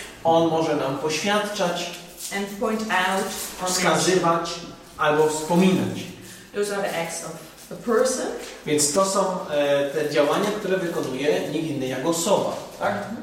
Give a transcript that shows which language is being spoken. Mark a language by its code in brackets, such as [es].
[pl] On może nam poświadczać. [en] And point out. [pl] Wskazywać albo wspominać. [en] Those are the acts of a person. [pl] Więc to są te działania, które wykonuje nikt inny jak osoba, tak?